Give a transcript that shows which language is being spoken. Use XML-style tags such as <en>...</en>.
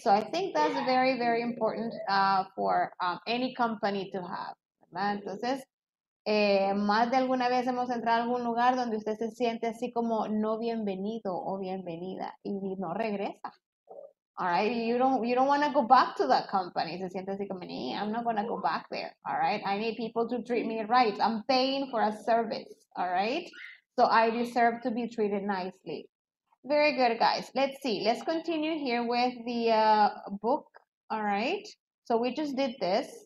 <en>So I think that's very, very important for any company to have, ¿verdad?</en> <es>Entonces, más de alguna vez hemos entrado a algún lugar donde usted se siente así como no bienvenido o bienvenida y no regresa.</es> <en>All right, you don't want to go back to that company.</en> <es>Se siente así como,</es> <en>I'm not going to go back there. All right, I need people to treat me right. I'm paying for a service. All right, so I deserve to be treated nicely. Very good, guys. Let's see. Let's continue here with the book. All right, so we just did this.</en>